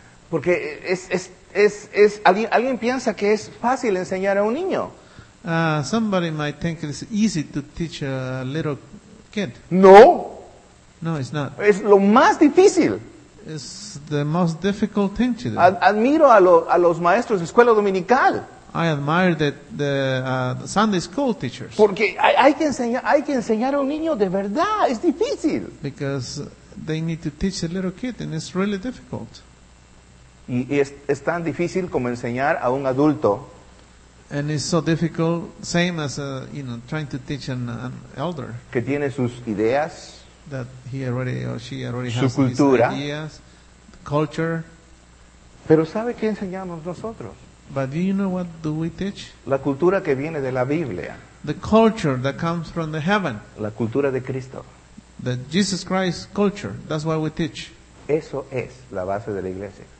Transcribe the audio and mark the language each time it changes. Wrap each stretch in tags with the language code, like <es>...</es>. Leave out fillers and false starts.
<es>Porque es alguien piensa que es fácil enseñar a un niño.</es> <en>Somebody might think it's easy to teach a little kid.</en> <es>No.</es> <en>No, it's not.</en> <es>Es lo más difícil.</es> <en>It's the most difficult thing to do.</en> <es>Admiro a los maestros de escuela dominical.</es> <en>I admire the Sunday school teachers.</en> <es>Porque hay que enseñar a un niño de verdad. Es difícil.</es> <en>Because they need to teach a little kid, and it's really difficult.</en> <es>Y es tan difícil como enseñar a un adulto.</es> <en>And it's so difficult, same as trying to teach an elder.</en> <es>Que tiene sus ideas.</es> <en>That he already or she already</en> <es>su</es> <en>has</en> <es>cultura,</es> <en>his ideas, culture.</en> <es>Pero ¿sabe qué enseñamos nosotros?</es> <en>But do you know what do we teach?</en> <es>La cultura que viene de la Biblia.</es> <en>The culture that comes from the heaven.</en> <es>La cultura de Cristo.</es> <en>The Jesus Christ culture. That's what we teach.</en> <es>Eso es la base de la iglesia.</es>